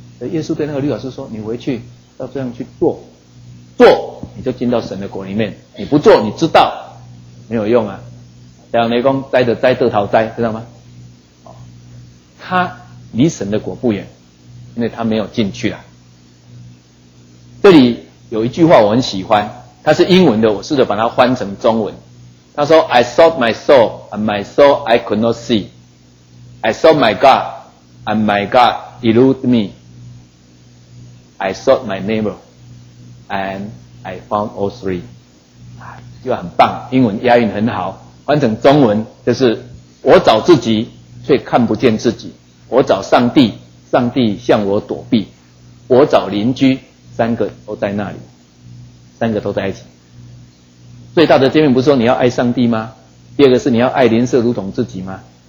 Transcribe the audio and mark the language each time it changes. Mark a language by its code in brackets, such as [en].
[zh] 耶稣对那个律法师说，你回去要这样去做，做你就进到神的国里面，你不做你知道没有用啊。两雷公栽的栽得逃栽，知道吗？他离神的国不远，因为他没有进去啊。这里有一句话我很喜欢，它是英文的，我试着把它翻成中文。 [en] 他说 I sought my soul and my soul I could not see, I sought my God and my God eluded meI sought my neighbor, and I found all three. [zh] 就很棒，英文押韵很好。翻成中文就是：我找自己，却看不见自己；我找上帝，上帝向我躲避；我找邻居，三个都在那里，三个都在一起。最大的诫命不是说你要爱上帝吗？第二个是你要爱邻舍如同自己吗？